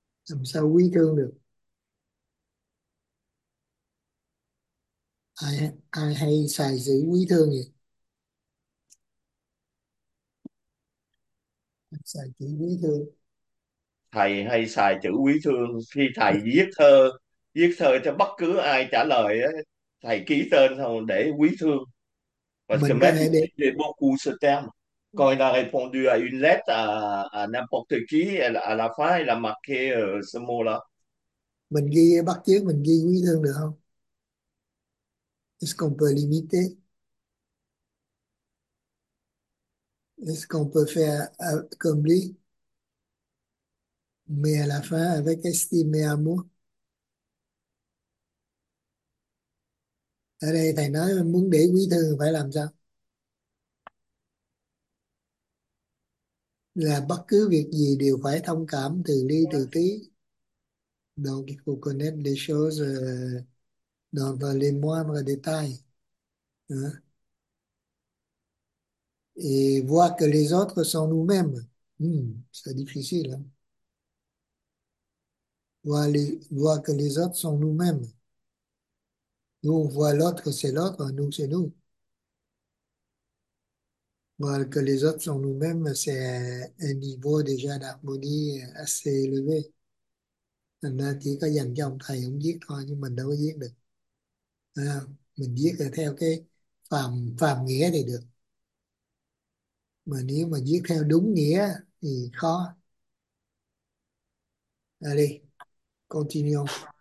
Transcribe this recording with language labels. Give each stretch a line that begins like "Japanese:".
Vietnamese: Làm sao quý thương được ai ai hay xài chữ quý thương vậy xài chữ quý thương Thầy hay xài chữ quý thương khi thầy viết thơ cho bất cứ ai trả lời ấy, thầy ký tên xong để quý thương và mình có
English: submit
Vietnamese: thể để để
French: beaucoup stamp
Vietnamese: coi là
French: répondu à une lettre à n'importe qui à la fin là marqué ce mot là
Vietnamese: mình ghi bắt chước mình ghi quý thương được không?
French: Est-ce qu'on peut limiter? Est-ce qu'on peut faire comme lui? Mais à la fin, avec estime et amour.
Vietnamese: Ở đây thầy nói muốn để quý thương phải làm sao? Là bất cứ việc gì đều phải thông cảm, từ ly, từ tí.
French: Donc, il faut connaître les choses dans les moindres détails. Hein? Et voir que les autres sont nous-mêmes. C'est difficile. Hein? Voir que les autres sont nous-mêmes. Nous, on voit l'autre, c'est l'autre, nous, c'est nous. Voir que les autres sont nous-mêmes, c'est un niveau déjà d'harmonie assez élevé.
Vietnamese: Thành ra chỉ có dành cho ông thầy ông viết thôi nhưng mình đâu có viết được à, mình viết là theo cái phàm phàm nghĩa thì được mà nếu mà viết theo đúng nghĩa thì khó à, đi continue.